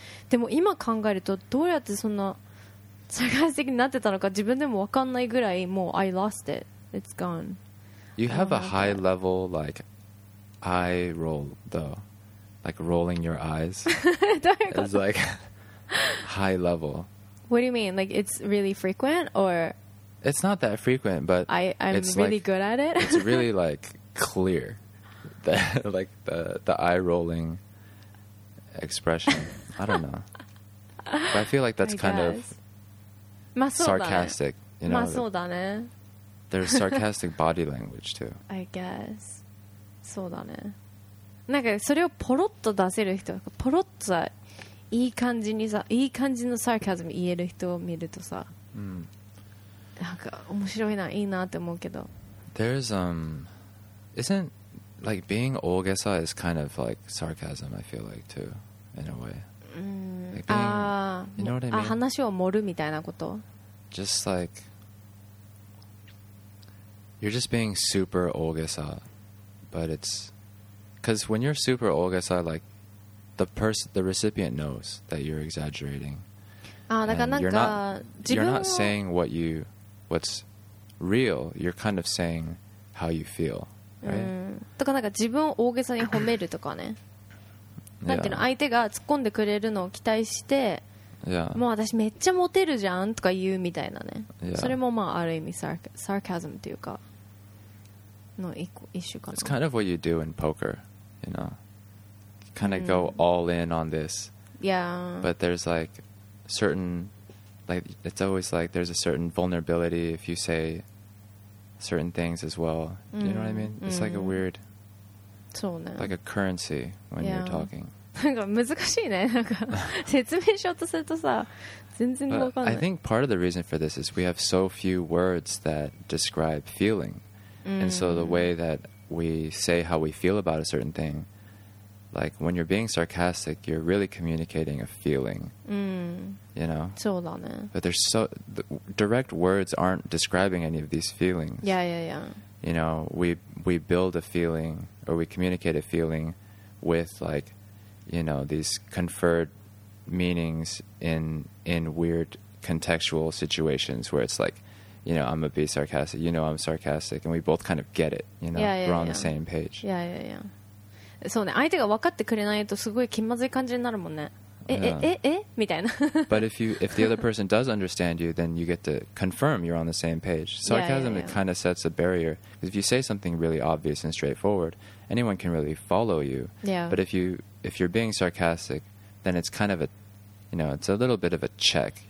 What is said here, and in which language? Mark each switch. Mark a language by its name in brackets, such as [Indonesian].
[Japanese] でも今考えるとどうやってそんなサーカスティックになってたのか自分でも分かんないぐらいもう [English] I lost it. It's gone. You have a high level like eye roll though. Like rolling your eyes. It's like high level. What do you mean? Like it's really frequent or... It's not that frequent, but I'm really good at it. It's really like clear, the eye rolling expression. I don't know. But I feel like that's kind of sarcastic. You know, [Japanese] そうだね。 [English] There's sarcastic body language too. I guess. [Japanese] そうだね。なんかそれをポロッと出せる人、ポロッとさ、いい感じにさ、いい感じのサーカスム言える人を見るとさ。なんか面白いな、いいなって思うけど。 [English] There's isn't like being 大げさ is kind of like sarcasm, I feel like too, in a way. You know what I mean? [Japanese] 話を盛るみたいなこと。 [English] Just like you're just being super 大げさ but it's because when you're super 大げさ like the recipient knows that you're exaggerating. [Japanese] ああ、だからなんか [English] you're not saying what you. What's real, you're kind of saying how you feel, right? [Japanese] とかなんか自分を大げさに褒めるとかね。なんていうの、相手が突っ込んでくれるのを期待して、もう私めっちゃモテるじゃんとか言うみたいなね。それもまあある意味サーカズムっていうかの一種かな。 [English] It's kind of what you do in poker, you know. Kind of go all in on this. Yeah. But there's like certain... Like, it's always like there's a certain vulnerability if you say certain things as well. You know what I mean? It's like a weird, [Japanese] そうね。 [English] like a currency when you're talking. [Japanese] なんか難しいね。なんか説明しようとするとさ、全然わかんない。 [English] I think part of the reason for this is we have so few words that describe feeling. And so the way that we say how we feel about a certain thing,Like, when you're being sarcastic, you're really communicating a feeling, you know? [Japanese] そうだね。 [English] But there's so... direct words aren't describing any of these feelings. Yeah, yeah, yeah. You know, we build a feeling, or we communicate a feeling with, like, you know, these conferred meanings in weird contextual situations where it's like, you know, I'm a be sarcastic, you know I'm sarcastic, and we both kind of get it, you know? Yeah, on the same page. Yeah, yeah, yeah. [Japanese] そうね、相手が分かってくれないとすごい気まずい感じになるもんね。みたいな。 [English] But if the other person does understand you, then you get to confirm you're on the same page. Sarcasm, it kind of sets a barrier. Because if you say something really obvious and straightforward, anyone can really follow you. Yeah. But if you're being sarcastic, then it's kind of a, you know, it's a little bit of a check.